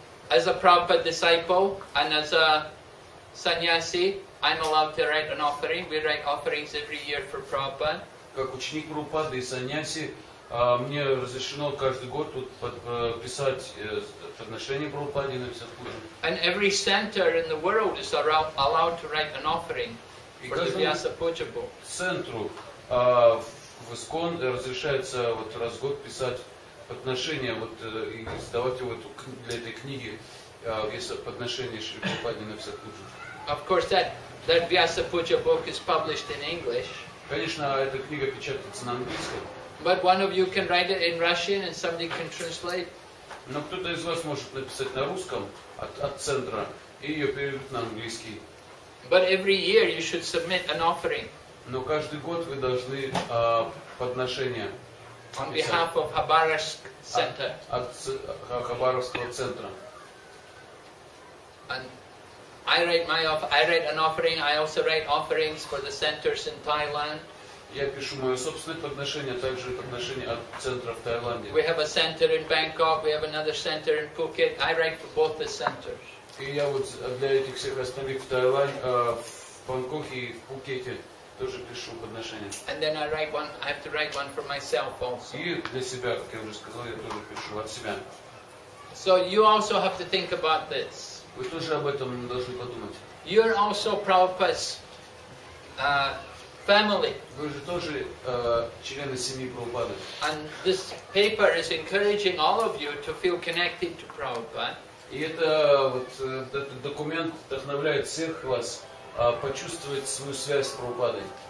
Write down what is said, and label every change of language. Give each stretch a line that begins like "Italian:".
English: As a Prabhupada disciple and as a sannyasi, I'm allowed to write an offering. We write offerings every year for Prabhupada.
Russian: Как ученик Прабхупады и саньяси, мне разрешено каждый год тут писать подношение Прабхупаде на всех пуджах.
English: And every center in the world is allowed to write an offering for the Vyasa Puja book.
Russian: Центру в Искон разрешается вот раз в год писать подношение вот и сдавать его для этой книги Вьяса подношение Шри Прабхупаде на всех пуджах.
English: Of course, that Vyasa Puja book is published in English.
Russian: Конечно, эта книга печатается на английском.
English: But one of you can write it in Russian and somebody can translate.
Russian: Но кто-то из вас может написать на русском от центра и ее переведут на английский.
English: But every year you should submit an offering.
Russian: Но каждый год вы должны подношение.
English: On behalf of Khabarovsk Center.
Russian: От Хабаровского центра.
English: And I write an offering. I also write offerings for the centers in Thailand.
Russian: Я пишу моё собственное подношение, также подношение от центров в Таиланде.
English: We have a center in Bangkok. We have another center in Phuket. I write for both the centers.
Russian: И я вот для этих всех остальных в Таиланде, в Бангкоке и в Пхукете тоже пишу подношение.
English: And then I write one. I have to write one for myself also.
Russian: И для себя, как я уже сказал, я тоже пишу от себя.
English: So you also have to think about this.
Russian: Вы тоже об этом должны подумать.
English: You're also Prabhupada's family.
Russian: Вы же тоже члены семьи Прабхупады.
English: And this paper is encouraging all of you to feel connected to Prabhupada.
Russian: И это вот этот документ вдохновляет всех вас почувствовать свою связь с Прабхупадой.